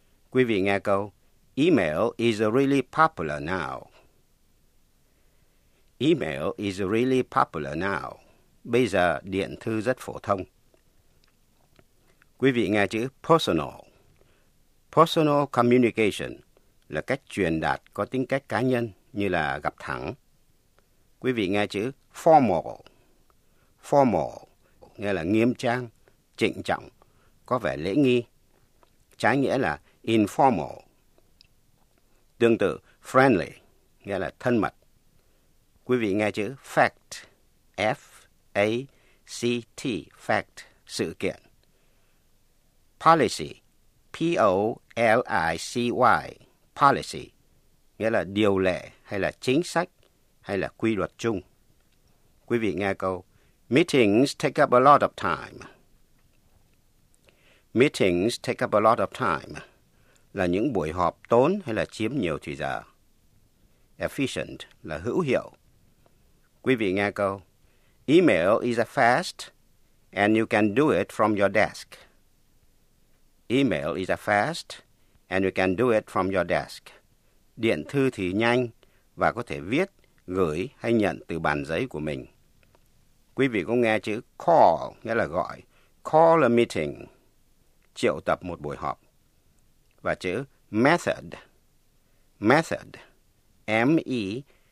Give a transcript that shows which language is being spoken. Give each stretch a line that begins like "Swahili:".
Vietnamese: Quý vị nghe câu,
English: email is really popular now. Email is really popular now.
Vietnamese: Bây giờ, điện thư rất phổ thông. Quý vị nghe chữ personal.
English: Personal communication
Vietnamese: là cách truyền đạt có tính cách cá nhân như là gặp thẳng. Quý vị nghe chữ formal. Formal nghĩa là nghiêm trang, trịnh trọng, có vẻ lễ nghi. Trái nghĩa là informal. Tương tự, friendly nghĩa là thân mật. Quý vị nghe chữ fact. F-A-C-T. Fact, sự kiện. Policy.
English: P-O-L-I-C-Y.
Vietnamese: Policy nghĩa là điều lệ hay là chính sách hay là quy luật chung. Quý vị nghe câu,
English: meetings take up a lot of time. Meetings take up a lot of time
Vietnamese: là những buổi họp tốn hay là chiếm nhiều thời giờ. Efficient là hữu hiệu. Quý vị nghe câu,
English: email is a fast and you can do it from your desk. Email is a fast and you can do it from your desk.
Vietnamese: Điện thư thì nhanh và có thể viết, gửi hay nhận từ bàn giấy của mình. Quý vị có nghe chữ call, nghĩa là gọi.
English: Call a meeting,
Vietnamese: triệu tập một buổi họp. Và chữ
English: method. Method. M-E-T-H-O-D.